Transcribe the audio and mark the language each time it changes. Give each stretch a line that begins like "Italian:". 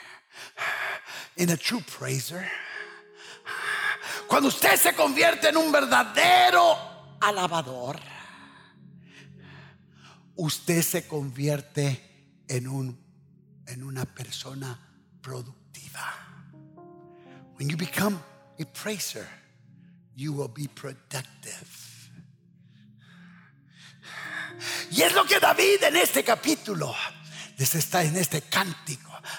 Spanish: Okay.
English: In a true praiser.
Spanish: Cuando usted se convierte en un verdadero alabador, usted se convierte en una persona productiva.
English: When you become a praiser, you will be productive.
Spanish: Y es lo que David en este capítulo les está en este cántico.